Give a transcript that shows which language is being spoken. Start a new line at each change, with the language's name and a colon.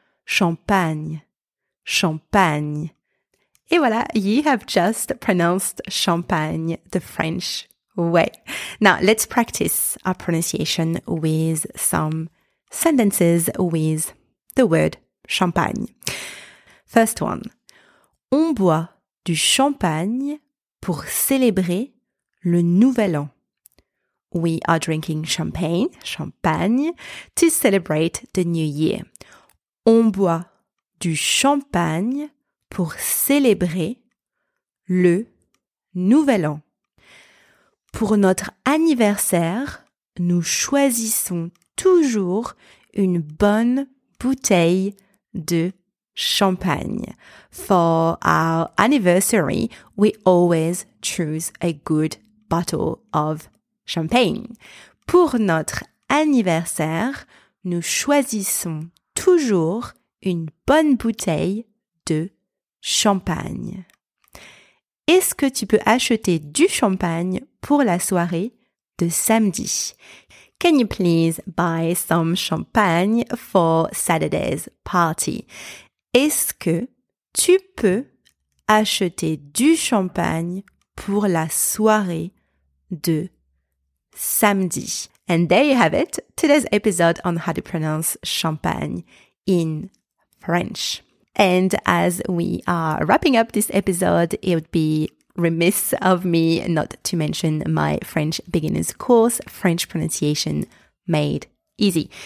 French: Champagne, champagne.
English: Et voilà, you have just pronounced champagne the French way. Now, let's practice our pronunciation with some sentences with the word champagne. First one.
French: On boit du champagne pour célébrer le nouvel an.
English: We are drinking champagne, champagne, to celebrate the new year.
French: On boit du champagne pour célébrer le nouvel an. Pour notre anniversaire, nous choisissons toujours une bonne bouteille de champagne.
English: For our anniversary, we always choose a good bottle of champagne.
French: Pour notre anniversaire, nous choisissons toujours une bonne bouteille de champagne. Est-ce que tu peux acheter du champagne pour la soirée de samedi?
English: Can you please buy some champagne for Saturday's party?
French: Est-ce que tu peux acheter du champagne pour la soirée de samedi?
English: And there you have it, today's episode on how to pronounce champagne in French. And as we are wrapping up this episode, it would be remiss of me not to mention my French beginners course, French Pronunciation Made Easy.